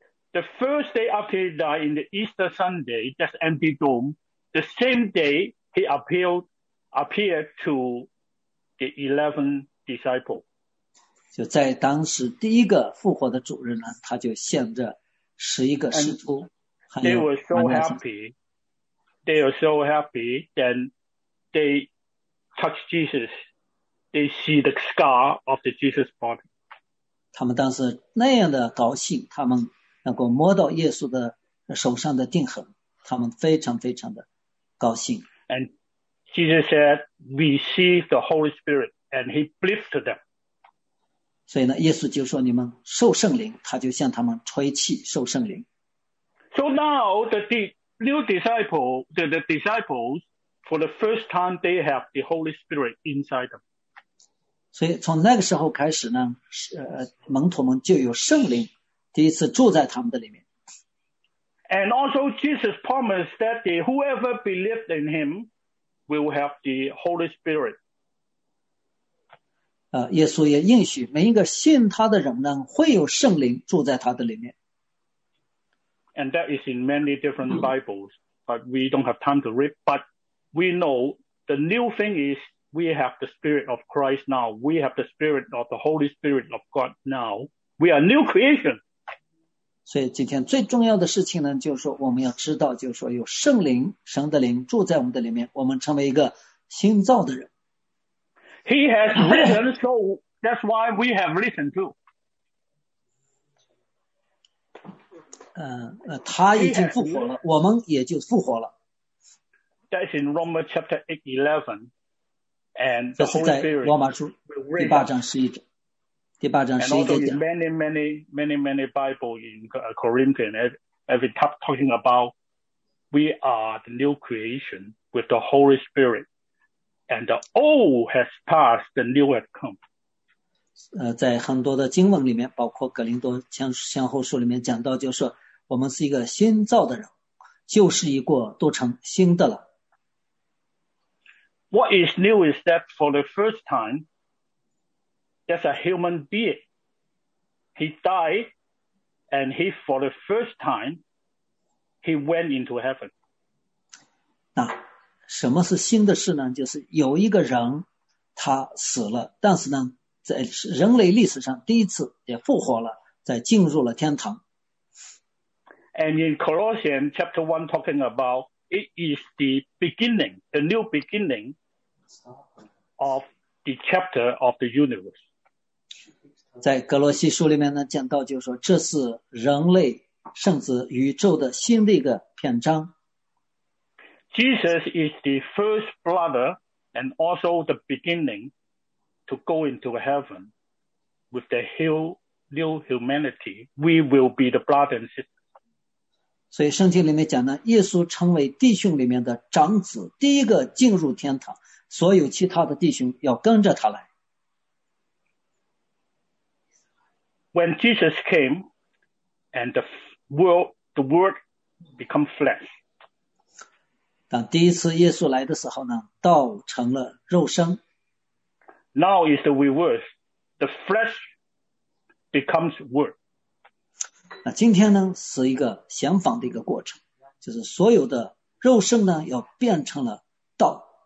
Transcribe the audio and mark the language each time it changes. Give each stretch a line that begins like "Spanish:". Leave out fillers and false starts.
English: The first day after he died in the Easter Sunday, that's empty tomb. The same day he appeared to. The 11 disciples.
Chinese: 就在当时第一个复活的主日呢，他就向着11个使徒。
English: They were so happy. They were so happy. Then they touched Jesus. They see the scar of the Jesus body.
Chinese: 他们当时那样的高兴，他们能够摸到耶稣的手上的钉痕，他们非常非常的高兴。
English: And Jesus said, receive the Holy Spirit, and he breathed to them.
Chinese: 所以呢，耶稣就说你们受圣灵，他就向他们吹气受圣灵。
English: So now the new disciples, the disciples, for the first time they have the Holy Spirit inside them.
Chinese: 所以从那个时候开始呢，门徒们就有圣灵第一次住在他们的里面。
English: And also Jesus promised that whoever believed in him will have the Holy Spirit.
Chinese: 耶稣也应许每一个信他的人呢会有圣灵住在他的里面。
English: And that is in many different Bibles, but we don't have time to read, but we know the new thing is we have the Spirit of Christ now. We have the Spirit of the Holy Spirit of God now. We are new creation.
Chinese: 所以今天最重要的事情呢，就是说我们要知道，就是说有圣灵，神的灵住在我们的里面，我们成为一个新造的人。
English: He has written, so that's why we have written too.
Chinese: 他已经复活了，我们也就复活了。
English: That's in Romans chapter 8:11, and the Holy Spirit.
Chinese: 这是在罗马书第八章十一节。第八章十一节讲。
English: And also in many Bible in Corinthians, every time talking about we are the new creation with the Holy Spirit, and the old has passed, the new has come.
Chinese: 在很多的经文里面，包括格林多前后书里面讲到，就是说我们是一个新造的人，旧事已过，都成新的了。
English: What is new is that for the first time. That's a human being. He died, and he, for the first time, he went into heaven.
Chinese: 那什么是新的事呢？就是有一个人，他死了，但是呢，在人类历史上第一次也复活了，在进入了天堂。
English: And in Colossians chapter 1, talking about it is the beginning, the new beginning of the chapter of the universe.
Chinese: 在格罗西书里面呢讲到就是说这是人类圣子宇宙的新的一个篇章。
English: Jesus is the first brother and also the beginning to go into heaven with the new humanity. We will be the brother and sister.
Chinese: 所以圣经里面讲呢耶稣成为弟兄里面的长子第一个进入天堂所有其他的弟兄要跟着他来。
English: When Jesus came, and the word become flesh.
Chinese: 当第一次耶稣来的时候呢，道成了肉身。
English: Now is the reverse. The flesh becomes word.
Chinese: 那今天呢，是一个相反的一个过程，就是所有的肉身呢，要变成了道。